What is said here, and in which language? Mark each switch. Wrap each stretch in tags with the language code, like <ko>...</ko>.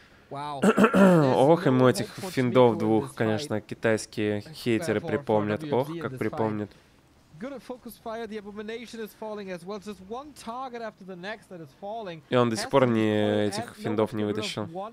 <ru>Ох, ему этих финдов двух, конечно, китайские хейтеры припомнят. Ох, как припомнят.</ru> <en>Good at focus fire, the abomination is falling as well. Just one target after the next that is falling.</en> <ru>И он до сих пор не этих финдов не вытащил.</ru>